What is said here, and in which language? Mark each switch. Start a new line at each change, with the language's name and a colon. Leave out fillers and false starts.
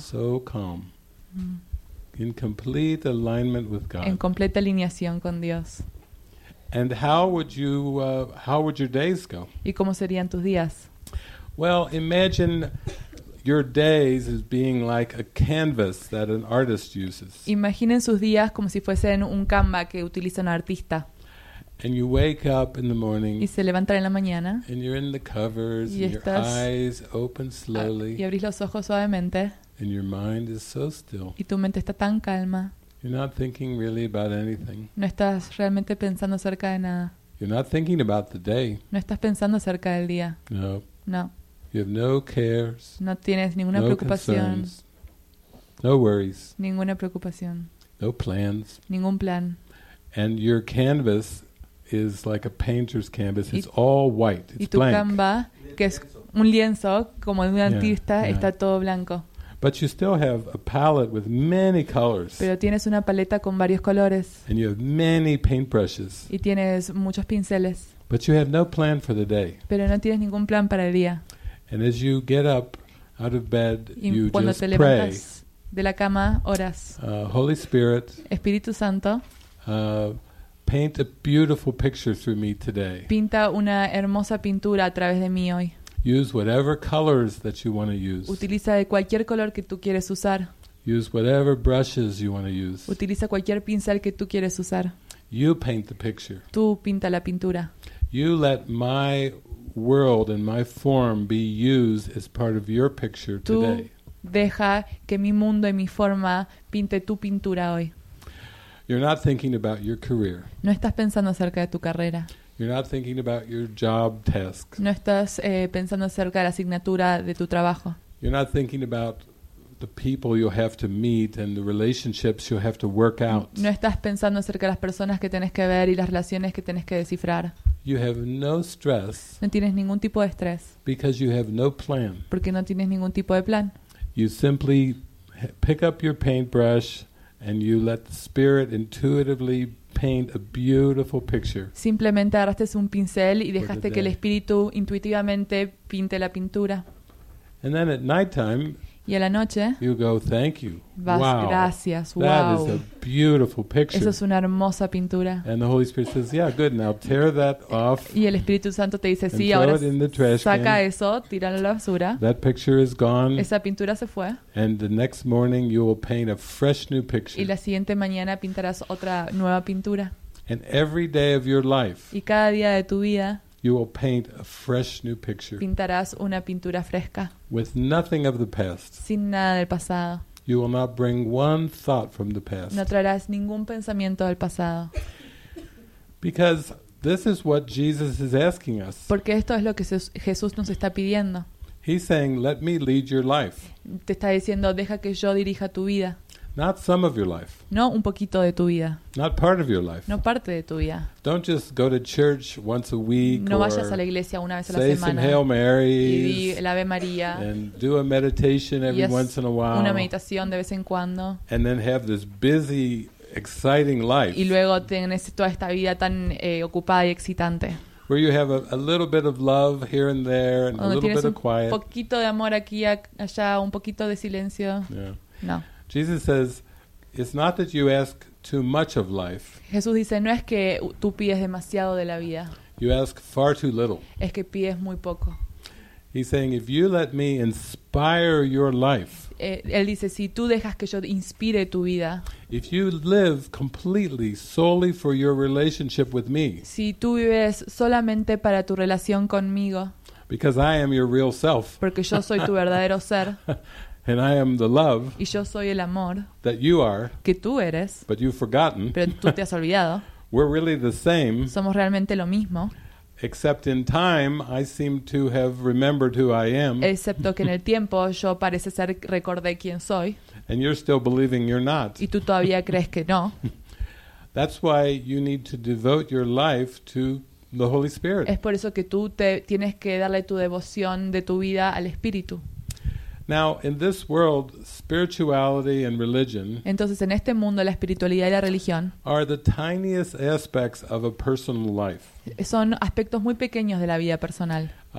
English: So calm. In complete alignment with God.
Spanish: En completa alineación con Dios.
English: And how would your days go?
Spanish: ¿Y cómo serían tus días?
English: Well, imagine your days as being like a canvas that an artist uses.
Spanish: Imaginen sus días como si fuesen un canva que utiliza un artista.
English: And you wake up in the morning.
Spanish: Y se levantan en la mañana.
English: And you're in the covers.
Spanish: Y estás,
English: and your eyes open slowly.
Spanish: Y abrís los ojos suavemente.
English: And your mind is so still.
Spanish: Y tu mente está tan calma.
English: You're not thinking really about anything.
Spanish: No estás realmente pensando acerca de nada.
English: You're not thinking about the day.
Spanish: No estás pensando acerca del día.
English: No.
Spanish: No.
English: You have no cares.
Spanish: No tienes ninguna no preocupación.
English: Concerns, no worries.
Spanish: Ninguna preocupación.
English: No plans.
Spanish: Ningún plan.
English: And your canvas is like a painter's canvas. It's all white. It's
Spanish: y tu
English: blank.
Spanish: Canva, que es un lienzo como de un artista, está todo blanco.
English: But you still have a palette with many colors.
Spanish: Pero tienes una paleta con varios colores.
English: And you have many paintbrushes.
Spanish: Y tienes muchos pinceles.
English: But you have no plan for the day.
Spanish: Pero no tienes ningún plan para el día.
English: And as you get up out of bed,
Spanish: y
English: you
Spanish: cuando
English: just
Spanish: te levantas
English: pray.
Spanish: De la cama, oras.
English: Holy Spirit.
Spanish: Espíritu Santo.
English: Paint a beautiful picture through me today.
Spanish: Pinta una hermosa pintura a través de mí hoy.
English: Use whatever colors that you want to use.
Spanish: Utiliza de cualquier color que tú quieres usar.
English: Use whatever brushes you want to use.
Spanish: Utiliza cualquier pincel que tú quieres usar.
English: You paint the picture.
Spanish: Tú pinta la pintura.
English: You let my world and my form be used as part of your picture
Spanish: tú
English: today.
Spanish: Deja que mi mundo y mi forma pinte tu pintura hoy.
English: You're not thinking about your career.
Spanish: No estás pensando acerca de tu carrera.
English: You're not thinking about your job task.
Spanish: No estás pensando acerca de la asignatura de tu trabajo.
English: You're not thinking about the people you'll have to meet and the relationships you'll have to work out.
Spanish: No estás pensando acerca de las personas que tienes que ver y las relaciones que tienes que descifrar.
English: You have no stress.
Spanish: No tienes ningún tipo de estrés.
English: Because you have no plan.
Spanish: Porque no tienes ningún tipo de plan.
English: You simply pick up your paintbrush and you let the spirit intuitively paint a beautiful picture.
Spanish: Simplemente agarraste un pincel y dejaste que el espíritu intuitivamente pinte la pintura.
English: And then at nighttime,
Spanish: y a la noche,
English: you go, thank you.
Spanish: Vas, wow. Gracias. Wow.
English: That is a beautiful picture.
Spanish: Eso es una hermosa pintura.
English: And the Holy Spirit says, yeah, good. Now tear that off.
Spanish: Y el Espíritu Santo te dice, sí, ahora
English: throw it in the trash
Spanish: saca
English: can.
Spanish: Eso, tíralo a la basura.
English: That picture is gone.
Spanish: Esa pintura se fue.
English: And the next morning you will paint a fresh new picture.
Spanish: Y la siguiente mañana pintarás otra nueva pintura.
English: And every day of your life.
Spanish: Y cada día de tu vida.
English: You will paint a fresh new picture.
Spanish: Pintarás una pintura fresca.
English: With nothing of the past.
Spanish: Sin nada del pasado.
English: You will not bring one thought from the past.
Spanish: No traerás ningún pensamiento del pasado.
English: Because this is what Jesus is asking us.
Spanish: Porque esto es lo que Jesús nos está pidiendo.
English: He's saying, "Let me lead your life."
Spanish: Te está diciendo, deja que yo dirija tu vida.
English: Not some of your life.
Spanish: No un poquito de tu vida.
English: Not part of your life.
Spanish: No parte de tu vida.
English: Don't just go to church once a week.
Spanish: No vayas a la iglesia una vez a la semana.
English: Say some Hail Marys.
Spanish: Y el Ave María.
English: And do a meditation every once in a while.
Spanish: Una meditación de vez en cuando.
English: And then have this busy, exciting life.
Spanish: Y luego tienes toda esta vida tan ocupada y excitante.
English: Where you have a little bit of love here and there, and a little bit of quiet.
Spanish: Un poquito de amor aquí allá, un poquito de silencio.
English: Yeah.
Spanish: No.
English: Jesus says, "It's not that you ask too much of life."
Spanish: Jesús dice, no es que tú pides demasiado de la vida.
English: You ask far too little.
Spanish: Es que pides muy poco.
English: He's saying, if you let me inspire your life.
Spanish: Él dice, si tú dejas que yo inspire tu vida.
English: If you live completely solely for your relationship with me.
Spanish: Si tú vives solamente para tu relación conmigo.
English: Because I am your real self.
Spanish: Porque yo soy tu verdadero ser.
English: And I am the love
Spanish: y yo soy el amor
English: that you are,
Spanish: que tú eres,
English: but you've forgotten.
Spanish: Pero tú te has olvidado.
English: We're really the same.
Spanish: Somos realmente lo mismo.
English: Except in time, I seem to have remembered who I am.
Spanish: Excepto que en el tiempo yo parece ser recordé quién soy.
English: And you're still believing you're not.
Spanish: Y tú todavía crees que no.
English: That's why you need to devote your life to the Holy Spirit.
Spanish: Es por eso que tú te tienes que darle tu devoción de tu vida al Espíritu.
English: Now, in this world, spirituality and religion
Spanish: entonces, en este mundo, la espiritualidad y la religión
English: are the tiniest aspects of a personal life.
Spanish: Son aspectos muy pequeños de la vida personal.